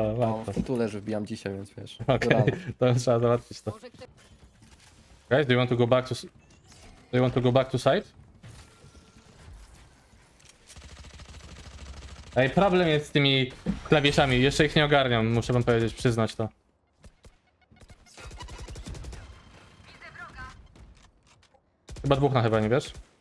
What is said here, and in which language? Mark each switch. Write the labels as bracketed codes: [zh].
[pl] No, w tytule, że wbijam dzisiaj, więc wiesz. Okej, okay. To trzeba załatwić to. [en] Guys, do you want to go back to... Do you want to go back to site? [pl] Ej, problem jest z tymi klawiszami, jeszcze ich nie ogarniam, muszę wam powiedzieć, przyznać to. Chyba dwóch na chyba, nie wiesz?